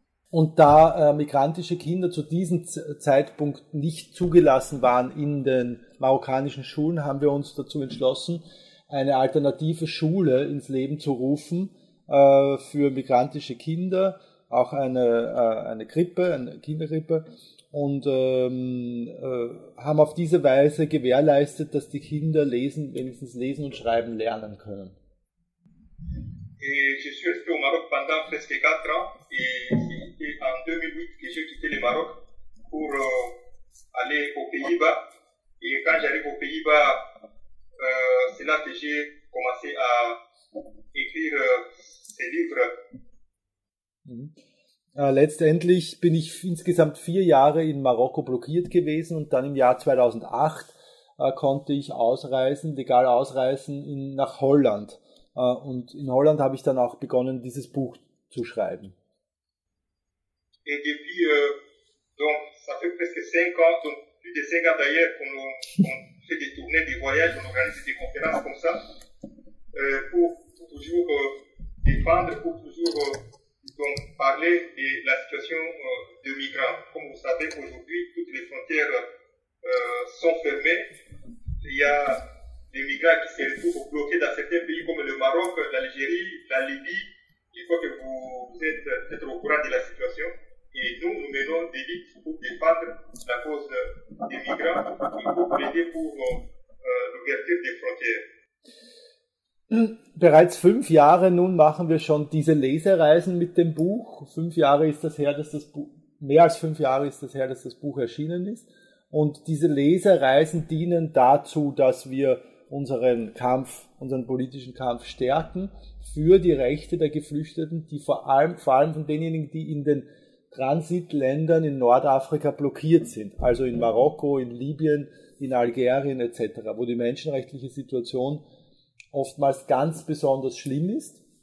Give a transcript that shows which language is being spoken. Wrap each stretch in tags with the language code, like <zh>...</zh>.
<de>Und da migrantische Kinder zu diesem Zeitpunkt nicht zugelassen waren in den marokkanischen Schulen, haben wir uns dazu entschlossen, eine alternative Schule ins Leben zu rufen für migrantische Kinder, auch eine Krippe, eine Kinderkrippe, und haben auf diese Weise gewährleistet, dass die Kinder lesen, wenigstens lesen und schreiben lernen können.</de> <fr>Et je suis resté au Maroc pendant presque 4 ans et c'est en 2008 que j'ai quitté le Maroc pour aller aux Pays-Bas. Et quand j'arrive aux Pays-Bas, c'est là que j'ai commencé à écrire ces livres.</fr> <de>Letztendlich bin ich insgesamt 4 Jahre in Marokko blockiert gewesen und dann im Jahr 2008 konnte ich ausreisen, legal ausreisen nach Holland. Und in Holland habe ich dann auch begonnen, dieses Buch zu schreiben.</de> <fr>Et depuis, donc, ça fait presque 5 ans, donc, plus de 5 ans d'ailleurs, qu'on fait des tournées, des voyages, on organise des conférences comme ça, pour toujours défendre, pour toujours donc, parler de la situation de migrants. Comme vous savez, aujourd'hui, toutes les frontières sont fermées. Il y a des migrants qui se retrouvent bloqués dans certains pays comme le Maroc, l'Algérie, la Libye. Il faut que vous êtes peut-être au courant de la situation. Et nous, nous menons des luttes pour défendre la cause des migrants et pour plaider pour l'ouverture des frontières.</fr> <de>Bereits 5 Jahre nun machen wir schon diese Lesereisen mit dem Buch. 5 Jahre ist das her, dass das Buch, mehr als 5 Jahre ist das her, dass das Buch erschienen ist. Und diese Lesereisen dienen dazu, dass wir unseren Kampf, unseren politischen Kampf stärken für die Rechte der Geflüchteten, die vor allem von denjenigen, die in den Transitländern in Nordafrika blockiert sind, also in Marokko, in Libyen, in Algerien etc., wo die menschenrechtliche Situation oftmals ganz besonders schlimm ist.</de>